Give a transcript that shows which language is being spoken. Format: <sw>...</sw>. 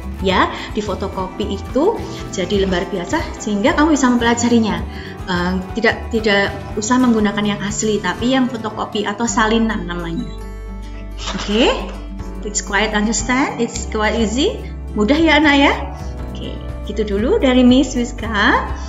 <id>Ya, difotokopi itu jadi lembar biasa sehingga kamu bisa mempelajarinya. Tidak usah menggunakan yang asli, tapi yang fotokopi atau salinan namanya. Oke? Okay?</id> <en>It's quite understand, it's quite easy.</en> <id>Mudah ya anak ya. Oke, gitu dulu dari Miss Wiska.</id>